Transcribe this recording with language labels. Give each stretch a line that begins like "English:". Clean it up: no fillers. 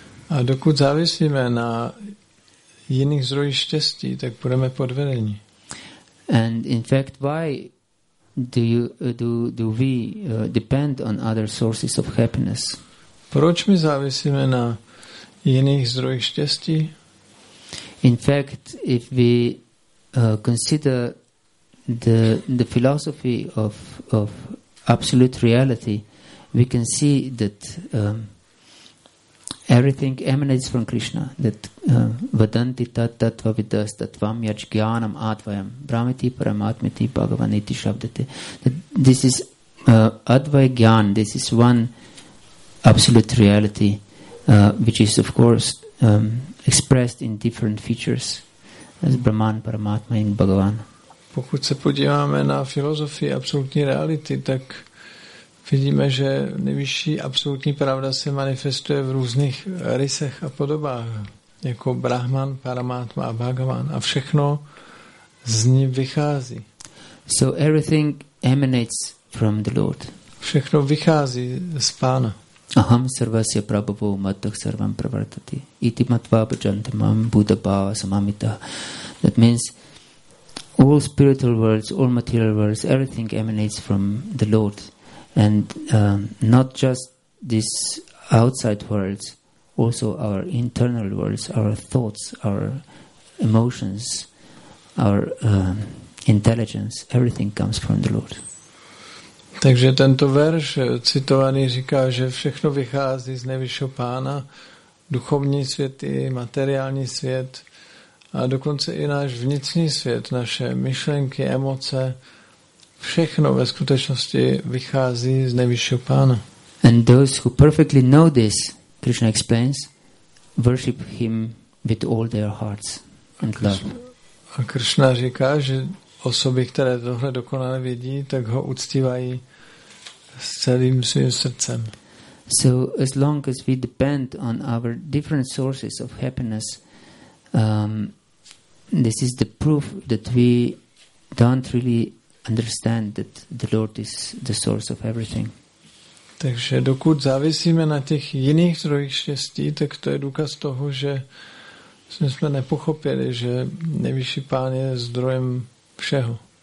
Czech: A dokud závisíme na jiných zdrojích štěstí, tak budeme podvedeni.
English: And in fact, why do we depend on other sources of happiness?
Czech: Proč my závisíme na jiných zdrojích štěstí?
English: In fact, if we consider the philosophy of absolute reality, we can see that everything emanates from Krishna, that
Sanskrit: vadanti tat tatva vidas tatvam yaj gyanam advayam brahmati paramatmiti bhagavaniti shabdate,
English: that this is Advaita Gyan, this is one absolute reality, which is of course expressed in different features as Brahman, Paramatma and Bhagavan.
Czech: Pokud se podíváme na filozofii absolutní reality, tak vidíme, že nejvyšší absolutní pravda se manifestuje v různých rysech a podobách, jako Brahman, Paramatma a Bhagavan. A všechno z ní vychází.
English: So everything emanates from the Lord.
Czech: Všechno vychází z Pána.
Sanskrit: Aham sarvasya prabhavo matah sarvam pravartati. Iti matva bhajante mam buddha bhava samamita.
English: That means all spiritual worlds, all material worlds, everything emanates from the Lord. And not just this outside worlds, also our internal worlds, our thoughts, our emotions, our intelligence, everything comes from the Lord.
Czech: Takže tento verš citovaný říká, že všechno vychází z nejvyššího Pána, duchovní svět i materiální svět, a dokonce i náš vnitřní svět, naše myšlenky, emoce, všechno ve skutečnosti vychází z nejvyššího Pána.
English: And those who perfectly know this, Krishna explains, worship him with all their hearts and love.
Czech: A Krishna říká, že osoby, které tohle dokonale vidí, tak ho uctívají s celým svým srdcem.
English: So as long as we depend on our different sources of happiness, this is the proof that we don't really understand that the Lord is the source of everything.
Czech: Takže dokud závisíme na těch jiných zdrojích štěstí, tak to je důkaz toho, že jsme nepochopili, že nejvyšší Pán je zdrojem všeho.